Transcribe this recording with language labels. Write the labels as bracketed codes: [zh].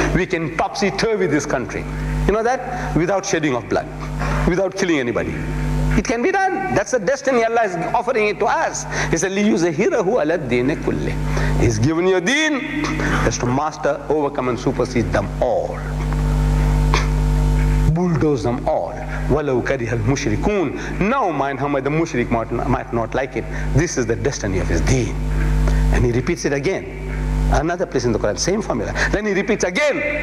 [en] We can topsy-turvy this country. You know that? Without shedding of blood, without killing anybody. It can be done. That's the destiny Allah is offering it to us. [ar] He said, لِيُزَهِرَهُ عَلَى الدِّينِ كُلِّهِ. [en] He's given you a deen, just to master, overcome and supersede them all. Bulldoze them all. [ar] وَلَوْ كَرِهَ الْمُشْرِكُونَ. [en] Now mind how the mushrik might not like it. This is the destiny of his deen. And he repeats it again. Another place in the Quran, same formula. Then he repeats again.